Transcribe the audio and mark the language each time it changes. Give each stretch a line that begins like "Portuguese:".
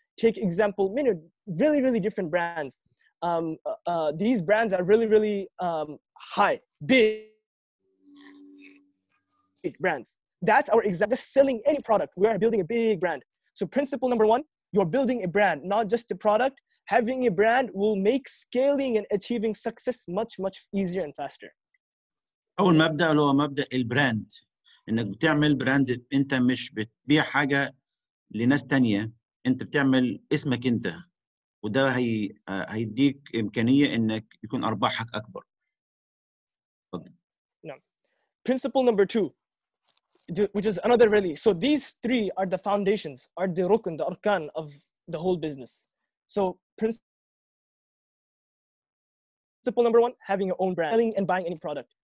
English: Take example, you know, really, really different brands. These brands are really, really high, big brands. That's our example, just selling any product. We are building a big brand. So principle number one, you're building a brand, not just a product. Having a brand will make scaling and achieving success much, much easier and faster.
Arabic: أول مبدأ هو مبدأ البراند. إنك بتعمل براند, أنت مش بتبيع حاجة لناس تانية. أنت بتعمل اسمك أنت. وده هيديك إمكانية إنك يكون أرباحك أكبر.
English: نعم. Principle number two, which is another really. So these three are the foundations, are the rukun, the arkan of the whole business. So principle number one, having your own brand, selling and buying any product.